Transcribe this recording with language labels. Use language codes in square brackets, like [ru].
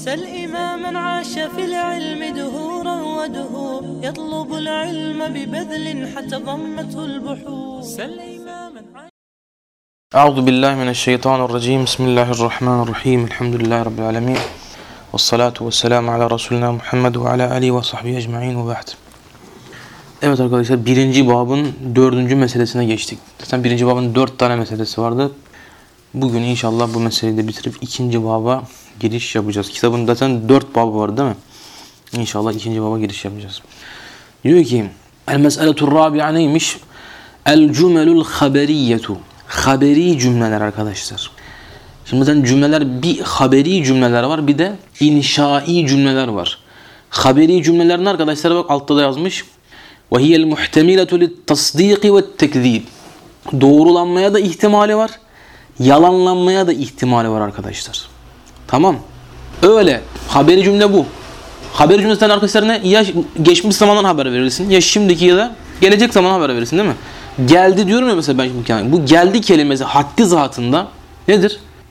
[ar] سل إماما عاش في العلم دهورا ودهور يطلب العلم ببذل حتى ضمته البحور. سل إماما عاش. أعوذ بالله من الشيطان الرجيم. بسم الله الرحمن الرحيم. الحمد لله رب العالمين والصلاة والسلام على رسولنا محمد وعلى آله وصحبه أجمعين وبعد. [tr] Evet arkadaşlar, birinci babın dördüncü meselesine geçtik. Zaten birinci babın dört tane meselesi vardı. Bugün inşallah bu meseleyi de bitirip ikinci baba giriş yapacağız. Kitabın zaten dört babı var değil mi? İnşallah ikinci baba giriş yapacağız. Diyor ki, [ar] El-Mes'eletur Rabi'a [tr] neymiş? [ar] El-Cümelul Haberiyyetu. [tr] Haberi cümleler arkadaşlar. Şimdi zaten cümleler, bir haberi cümleler var, bir de inşai cümleler var. Haberi cümlelerin arkadaşlara bak, altta da yazmış. [ar] وهي المحتملة للتصديق والتكذيب. [tr] Doğrulanmaya da ihtimali var, yalanlanmaya da ihtimali var arkadaşlar. Tamam. Öyle. Haberi cümle bu. Haberi cümle sen arkadaşlarına ya geçmiş zamandan haber verirsin, ya şimdiki ya da gelecek zaman haber verirsin değil mi? Geldi diyorum ya mesela ben şimdi. Bu geldi kelimesi haddi zatında nedir?